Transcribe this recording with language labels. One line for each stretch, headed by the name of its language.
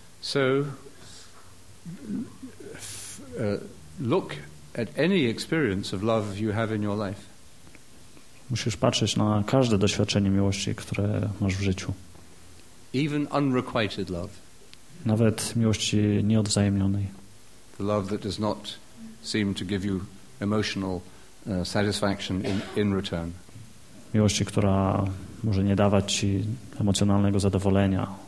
English: So look at any experience of love you have in your life.
Polish: Musisz patrzeć na każde doświadczenie miłości, które masz w życiu.
English: Even unrequited love.
Polish: Nawet miłości nieodwzajemnionej.
English: The love that does not seem to give you emotional satisfaction in return.
Polish: Miłości, która może nie dawać ci emocjonalnego zadowolenia